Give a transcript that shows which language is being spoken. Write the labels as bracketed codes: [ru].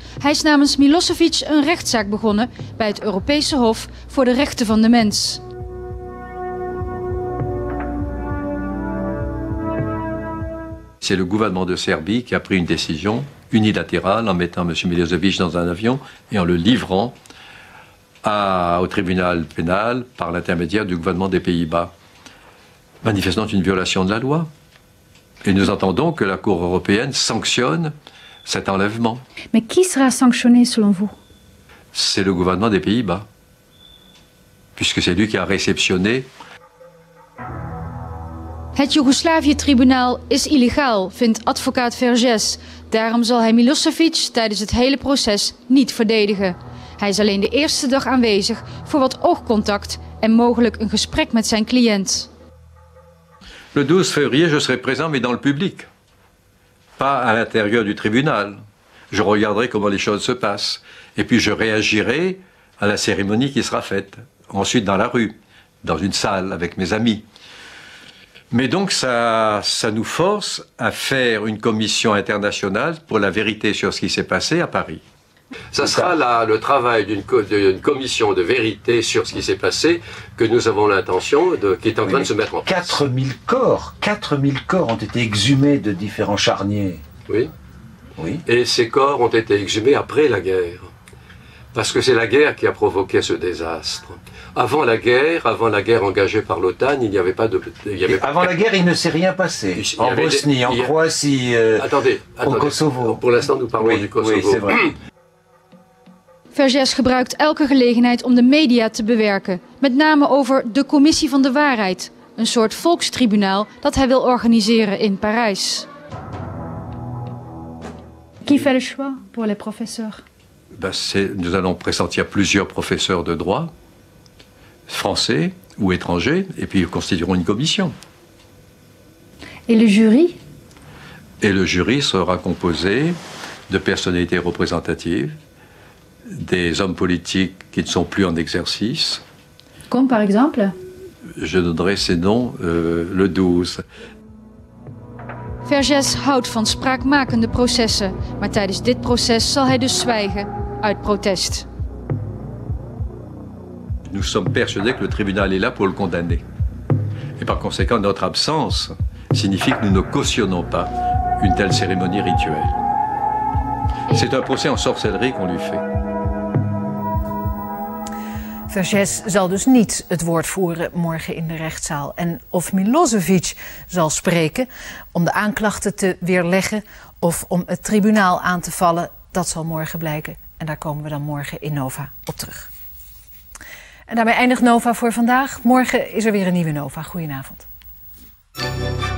[nl] Hij is namens Milosevic een rechtszaak begonnen bij het Europese Hof voor de Rechten van de Mens. [fr] C'est le gouvernement de Serbie qui a pris une décision unilatérale en mettant M. Milosevic dans un avion et en le livrant au tribunal pénal par l'intermédiaire du gouvernement des Pays-Bas. Manifestant une violation de la loi Et nous attendons que la Cour européenne sanctionne cet enlèvement. Mais qui sera sanctionné selon vous ? C'est le gouvernement des Pays-Bas. Puisque c'est lui qui a réceptionné. [nl] Het Joegoslavië-tribunaal is illegaal, vindt advocaat Vergès. Daarom zal hij Milosevic tijdens het hele proces niet verdedigen. Hij is alleen de eerste dag aanwezig voor wat oogcontact en mogelijk een gesprek met zijn cliënt. [fr] Le 12 février, je serai présent, mais dans le public. Pas à l'intérieur du tribunal. Je regarderai comment les choses se passent. Et puis je réagirai à la cérémonie qui sera faite. Ensuite dans la rue, dans une salle avec mes amis. Mais donc ça nous force à faire une commission internationale pour la vérité sur ce qui s'est passé à Paris. Ça sera là le travail d'une commission de vérité sur ce qui s'est passé que nous avons l'intention de qui est en train de se mettre en place. 4000 corps ont été exhumés de différents charniers. Oui. Oui. Et ces corps ont été exhumés après la guerre. Parce que c'est la guerre qui a provoqué ce désastre. Avant la guerre engagée par l'OTAN, il n'y avait pas de... Il y avait avant pas... la guerre, il ne s'est rien passé. En Bosnie, en Croatie, attendez, au Kosovo. Pour l'instant, nous parlons du Kosovo. Oui, c'est vrai. [nl] Vergès gebruikt elke gelegenheid om de media te bewerken. Met name over de Commissie van de Waarheid. Een soort volkstribunaal dat hij wil organiseren in Parijs. [fr] Qui fait le choix pour les professeurs? Nous allons pressentir plusieurs professeurs de droit, français ou étrangers, et puis ils constitueront une commission. Et le jury? Et le jury sera composé de personnalités représentatives, des hommes politiques qui ne sont plus en exercice. Comme par exemple? Je donnerai ces noms le 12. [nl] Vergès houdt van spraakmakende processen, maar tijdens dit proces zal hij dus zwijgen. Uit protest. [fr] Nous sommes persuadés que le tribunal est là pour le condamner. Et par conséquent, notre absence signifie que nous ne cautionnons pas une telle cérémonie rituelle. C'est un procès en sorcellerie qu'on lui fait. [nl] Vergès zal dus niet het woord voeren morgen in de rechtszaal. En of Milosevic zal spreken om de aanklachten te weerleggen of om het tribunaal aan te vallen, dat zal morgen blijken. En daar komen we dan morgen in Nova op terug. En daarmee eindigt Nova voor vandaag. Morgen is er weer een nieuwe Nova. Goedenavond.